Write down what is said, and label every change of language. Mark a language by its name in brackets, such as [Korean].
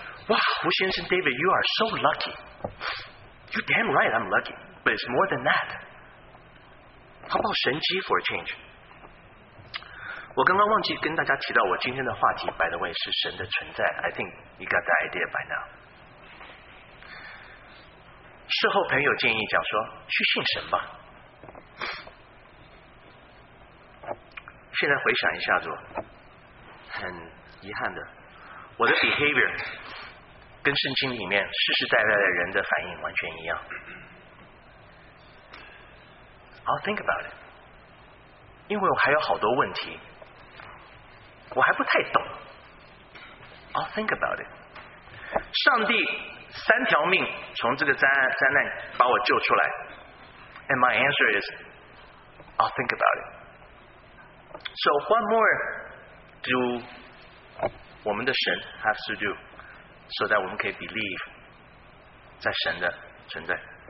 [English] Wow, 吴先生 David, you are so lucky. You're damn right, I'm lucky. But it's more than that. How about [Chinese] 神迹 [English] for a change? [Chinese] 我刚刚忘记跟大家提到我今天的话题， [English] by the way, [Chinese] 是神的存在。 [English] I think you got the idea by now. [Chinese] 事后朋友建议讲说去信神吧，现在回想一下子，很遗憾的，我的 behavior 跟圣经里面世世代代的人的反应完全一样。 [English] I'll think about it， [Chinese] 因为我还有好多问题我还不太懂。I'll think about it. 上帝三条命从这个灾难把我救出来。 [English] And my answer is, I'll think about it. So what more do [Chinese] 我们的神 [English] have to do so that [Chinese] 我们可以 [English] believe [Chinese] 在神的存在。